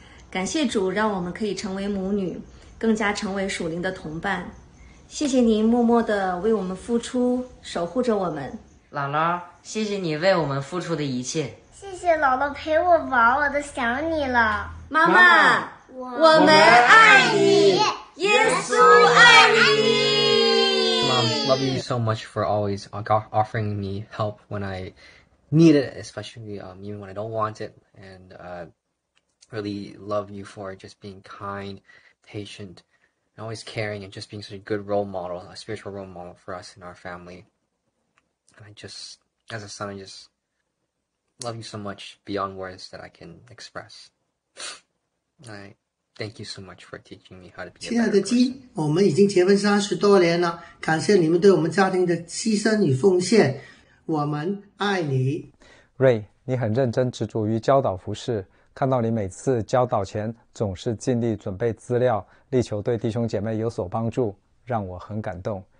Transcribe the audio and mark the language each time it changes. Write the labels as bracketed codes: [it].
[zh] 感谢主，让我们可以成为母女，更加成为属灵的同伴。谢谢您默默地为我们付出，守护着我们。姥姥，谢谢你为我们付出的一切。谢谢姥姥陪我玩，我都想你了。妈妈，我们爱你，耶稣爱你。 [en] Mom, love you so much for always offering me help when I need it, especially even when I don't want it. And really love you for just being kind, patient, and always caring, and just being such a good role model, a spiritual role model for us and our family. And I just, as a son, I just love you so much beyond words that I can express. I thank you so much for teaching me how to be a better person. [zh] 亲爱的鸡，我们已经结婚30多年了，感谢你们对我们家庭的牺牲与奉献，我们爱你。 Ray, 你很认真执着于教导服事，看到你每次教导前总是尽力准备资料，力求对弟兄姐妹有所帮助，让我很感动。